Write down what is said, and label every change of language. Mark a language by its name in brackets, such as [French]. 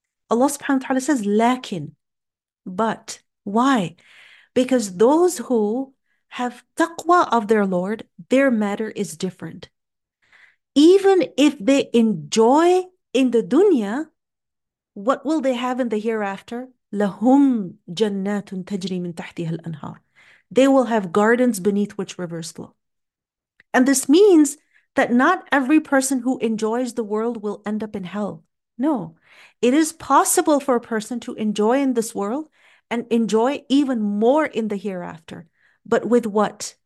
[English] Allah subhanahu wa ta'ala says, لكن. But why? Because those who have taqwa of their Lord, their matter is different. Even if they enjoy in the dunya, what will they have in the hereafter? [Arabic] لهم جنات تجري من تحتها الأنهار. [English] They will have gardens beneath which rivers flow. And this means that not every person who enjoys the world will end up in hell. No. It is possible for a person to enjoy in this world and enjoy even more in the hereafter. But with what?